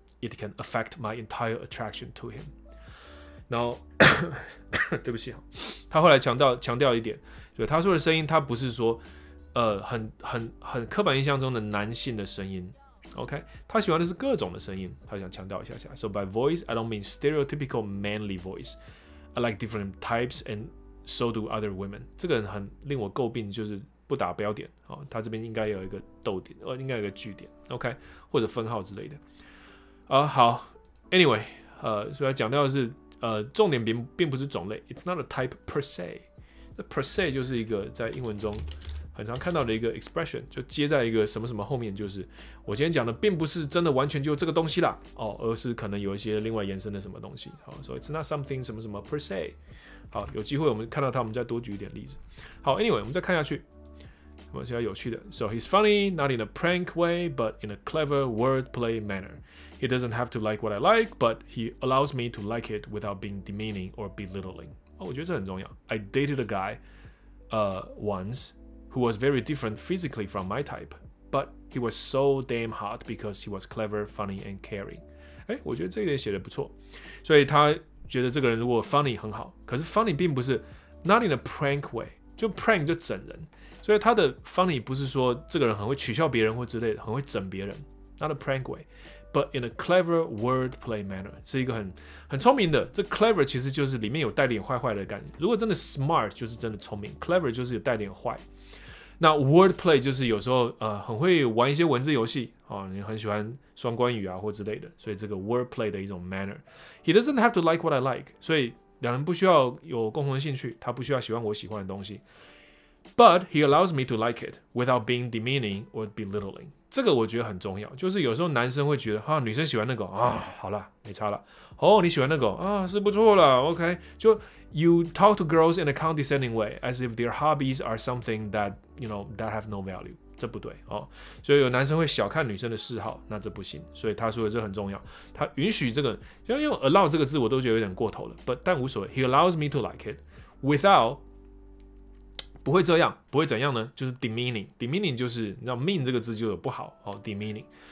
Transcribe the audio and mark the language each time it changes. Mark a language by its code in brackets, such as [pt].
[en] It can affect my entire attraction to him. [zh] 然后，对不起，他后来强调一点，所以他说的声音，他不是说、很刻板印象中的男性的声音。 OK， 他喜欢的是各种的声音，他想强调一下。 [en] So by voice, I don't mean stereotypical manly voice. I like different types, and so do other women. [zh] 这个人很令我诟病，就是不打标点、哦、他这边应该有一个逗点，应该有一个句点。 OK， 或者分号之类的。好 ，Anyway， 所以他讲到的是，重点并不是种类 ， [en] It's not a type per se. [zh] 那 per se 就是一个在英文中。很常看到的一个 expression， 就接在一个什么什么后面，就是我今天讲的并不是真的完全就这个东西啦，哦，而是可能有一些另外延伸的什么东西。好，所以 it's not something 什么什么 per se。好，有机会我们看到它，我们再多举一点例子。 [en] 好 ，anyway， [zh] 我们再看下去，我们比较有趣的。 [en] So he's funny not in a prank way， but in a clever wordplay manner。 He doesn't have to like what I like， but he allows me to like it without being demeaning or belittling。 [zh] 哦，我觉得这很重要。 [en] I dated a guy， once。 Who was very different physically from my type, but he was so damn hot because he was clever, funny, and caring. [zh] 哎、欸，我觉得这一点写的不错。所以他觉得这个人如果 funny 很好，可是 funny 并不是 not in a prank way， 就 prank 就整人。所以他的 funny 不是说这个人很会取笑别人或之类的，很会整别人 ， [en] not a prank way， but in a clever wordplay manner， [zh] 是一个很聪明的。这 clever 其实就是里面有带点坏坏的感觉。如果真的 smart 就是真的聪明 ，clever 就是有带点坏。那 wordplay 就是有时候很会玩一些文字游戏、哦、你很喜欢双关语啊或之类的，所以这个 wordplay 的一种 manner。 [en] He doesn't have to like what I like， [zh] 所以两人不需要有共同兴趣，他不需要喜欢我喜欢的东西。 [en] But he allows me to like it without being demeaning or belittling。 [zh] 这个我觉得很重要，就是有时候男生会觉得哈、啊、女生喜欢那个啊，好了，没差了。哦，你喜欢那个啊，是不错了 ，OK， 就。 [en] You talk to girls in a condescending way, as if their hobbies are something that you know that have no value. [zh] 这不对哦，所以有男生会小看女生的嗜好，那这不行。所以他说的这很重要。他允许这个，就用 allow 这个字，我都觉得有点过头了。但无所谓。 [en] He allows me to like it without [zh] 不会这样，不会怎样呢？就是 demeaning， demeaning 就是你知道 mean 这个字就有不好哦， demeaning。